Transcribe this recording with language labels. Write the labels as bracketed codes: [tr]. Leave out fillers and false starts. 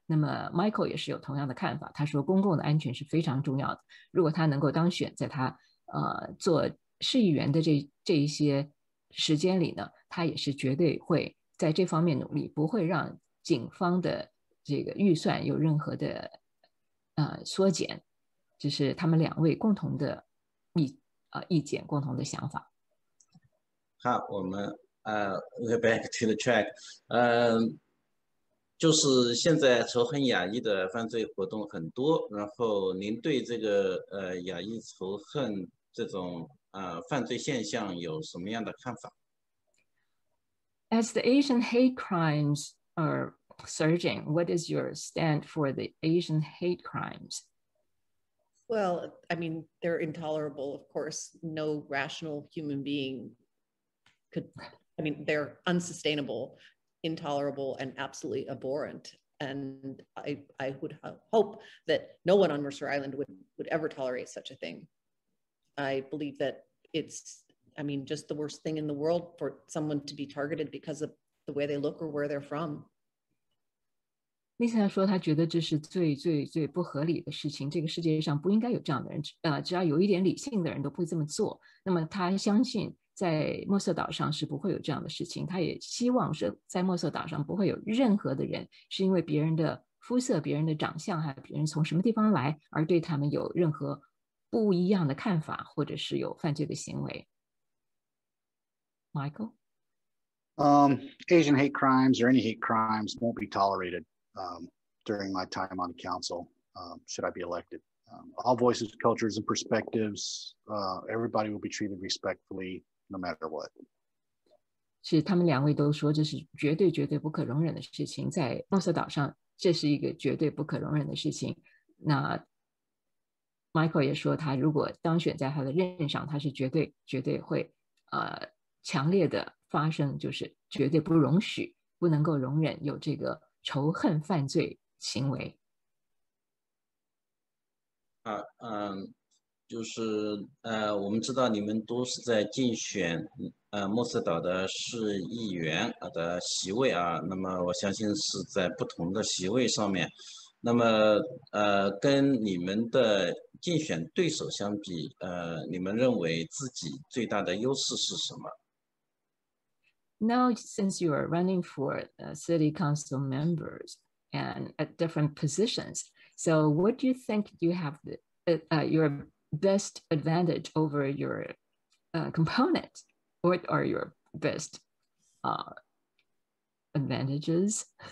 [zh] 那么 Michael 也是有同样的看法，他说公共的安全是非常重要的，如果他能够当选，在他做市议员的这一些时间里呢，他也是绝对会在这方面努力，不会让警方的这个预算有任何的缩减，这是他们两位共同的意见，共同的想法。好，我们 [en] we're back to the track。 [zh] 就是现在仇恨亚裔的犯罪活动很多，然后您对这个亚裔仇恨这种犯罪现象有什么样的看法？ [en] As the Asian hate crimes are surging, what is your stand for the Asian hate crimes? Well, I mean, they're intolerable, of course. No rational human being could, I mean, they're unsustainable, intolerable, and absolutely abhorrent. And I would hope that no one on Mercer Island would ever tolerate such a thing. I believe that it's, I mean, just the worst thing in the world for someone to be targeted because of the way they look or where they're from. [zh] Lisa 说她觉得这是最最最不合理的事情，这个世界上不应该有这样的人，只要有一点理性的人都不会这么做。那么她相信在莫瑟岛上是不会有这样的事情，她也希望是在莫瑟岛上不会有任何的人是因为别人的肤色、别人的长相还有别人从什么地方来而对他们有任何不一样的看法或者是有犯罪的行为。 [en] Michael? Asian hate crimes or any hate crimes won't be toleratedduring my time on council, should I be elected. All voices, cultures, and perspectives, everybody will be treated respectfully, no matter what. [zh] 是他们两位都说这是绝对绝对不可容忍的事情，在莫瑟岛上这是一个绝对不可容忍的事情。那 Michael 也说他如果当选在他的任上，他是绝对绝对会强烈的发声，就是绝对不容许，不能够容忍有这个仇恨犯罪行为。就是我们知道你们都是在竞选莫瑟岛的市议员的席位啊，那么我相信是在不同的席位上面，那么跟你们的竞选对手相比，你们认为自己最大的优势是什么？ [en] Now, since you are running for city council members and at different positions, so what do you think you have your best advantage over your component? What are your best advantages?